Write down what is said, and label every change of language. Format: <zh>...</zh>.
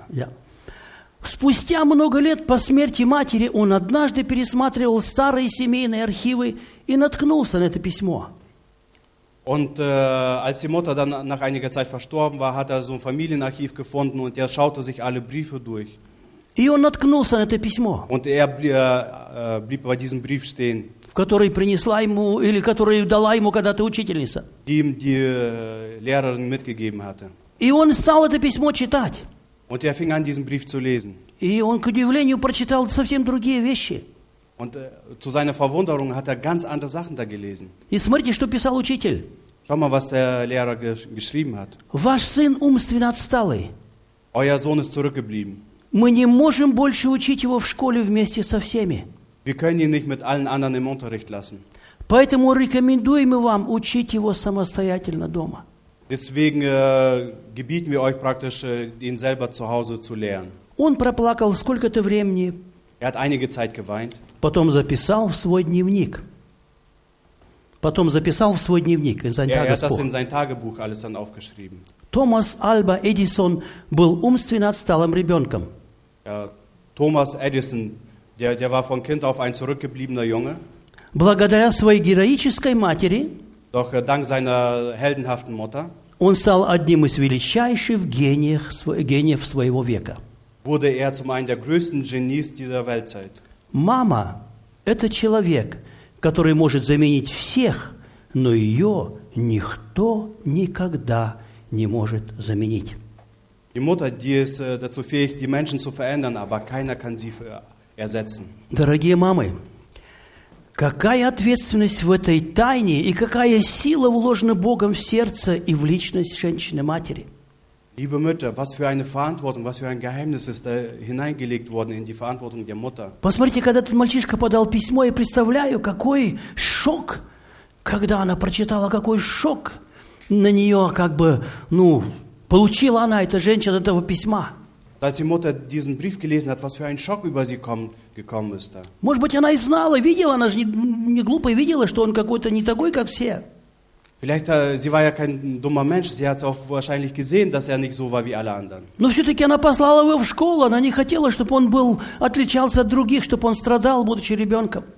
<de>Ja.</de> <ru>Спустя много лет по смерти матери он однажды пересматривал старые семейные архивы и наткнулся на это письмо.</ru> <de>Und als die Mutter dann nach einiger Zeit verstorben war, hat so ein Familienarchiv gefunden und schaute sich alle Briefe durch.</de> <ru>И он наткнулся на это письмо.</ru> <de>Und blieb bei diesem Brief stehen.</de> <ru>В которой принесла ему или которой дала ему когда-то учительница.</ru> <de>Die ihm die Lehrerin mitgegeben hatte.</de> <ru>И он стал это письмо читать.</ru> <de>Und fing an, diesen Brief zu lesen.</de> <ru>И он, к удивлению, прочитал совсем другие вещи.</ru> <de>Und zu seiner Verwunderung hat ganz andere Sachen da gelesen.</de> <ru>И смотрите, что писал учитель.</ru> <de>Schau mal, was der Lehrer geschrieben hat.</de> <ru>Ваш сын умственно отсталый.</ru> <de>Euer Sohn ist zurückgeblieben.</de> <ru>Мы не можем больше учить его в школе вместе со всеми.</ru> <de>Wir können ihn nicht mit allen anderen im Unterricht lassen.</de> <ru>Поэтому рекомендуем вам учить его самостоятельно дома.</ru> <de>Deswegen gebieten wir euch praktisch, ihn selber zu Hause zu lehren.</de> <ru>Он проплакал сколько-то времени.</ru> <de>Er hat einige Zeit geweint.</de> <ru>Потом записал в свой дневник. Потом записал в свой дневник,</ru> <de>in sein Tagebuch. Er hat das in sein Tagebuch alles dann aufgeschrieben.</de> <ru>Томас Альба Эдисон был умственно отсталым ребенком.</ru> <de>Томас Эдисон, der war von Kind auf ein zurückgebliebener Junge.</de> <ru>Благодаря своей героической матери,</ru> <de>doch dank seiner heldenhaften Mutter,</de> <ru>он стал одним из величайших гениев своего века.</ru> <de>Wurde zum einen der größten Genies dieser Weltzeit.</de> <ru>Мама – это человек, который может заменить всех, но ее никто никогда не может заменить.</ru> <de>Die Mutter, die ist dazu fähig, die Menschen zu verändern, aber keiner kann sie ersetzen.</de> <ru>Дорогие мамы, какая ответственность в этой тайне и какая сила вложена Богом в сердце и в личность женщины-матери?</ru> <de>Liebe Mütter, was für eine Verantwortung, was für ein Geheimnis ist da hineingelegt worden in die Verantwortung der Mutter?</de> <ru>Посмотрите, когда этот мальчишка подал письмо, я представляю, какой шок, когда она прочитала, какой шок на нее, как бы, ну, получила она, эта женщина, этого письма.</ru> <de>Als die Mutter diesen Brief gelesen hat, was für ein Schock über sie gekommen ist da.</de> <ru>Может быть, она и знала, видела, она же не глупая, видела, что он какой-то не такой, как все.</ru> <de>Vielleicht, sie war ja kein dummer Mensch, sie hat es auch wahrscheinlich gesehen, dass nicht so war wie alle anderen.</de> <ru>Но все-таки она послала его в школу, она не хотела, чтобы он был, отличался от других, чтобы он страдал, будучи ребенком.</ru>